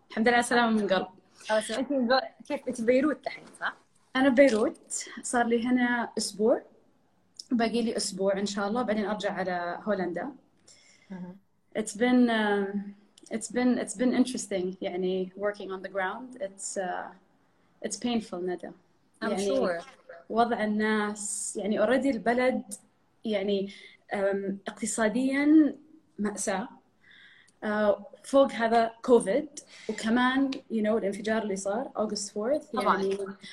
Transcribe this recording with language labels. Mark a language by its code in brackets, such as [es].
[ar] الحمد لله على السلامة من قلب. كيف أنت بيروت الحين صح؟ أنا بيروت، صار لي هنا أسبوع، باقي لي أسبوع إن شاء الله بعدين أرجع على هولندا. [en] It's been interesting يعني working on the ground. It's painful ندى. [ar] يعني sure. وضع الناس يعني already البلد يعني اقتصاديا مأساة، فوق هذا كوفيد، وكمان [en] you know [ar] الانفجار اللي صار [en] August 4th [ar] يعني طبعاً.